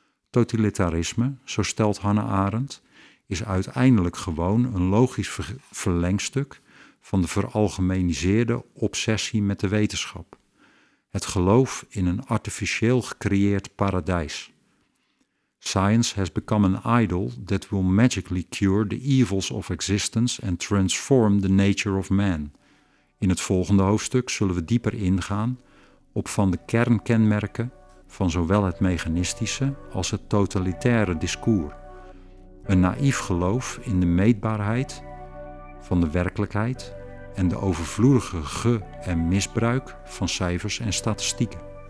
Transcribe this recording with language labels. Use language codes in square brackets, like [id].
[nl] Totalitarisme, zo stelt Hannah Arendt, is uiteindelijk gewoon een logisch verlengstuk van de veralgemeniseerde obsessie met de wetenschap. Het geloof in een artificieel gecreëerd paradijs. [en] Science has become an idol that will magically cure the evils of existence and transform the nature of man. [nl] In het volgende hoofdstuk zullen we dieper ingaan op van de kernkenmerken van zowel het mechanistische als het totalitaire discours. Een naïef geloof in de meetbaarheid van de werkelijkheid en de overvloedige ge- en misbruik van cijfers en statistieken.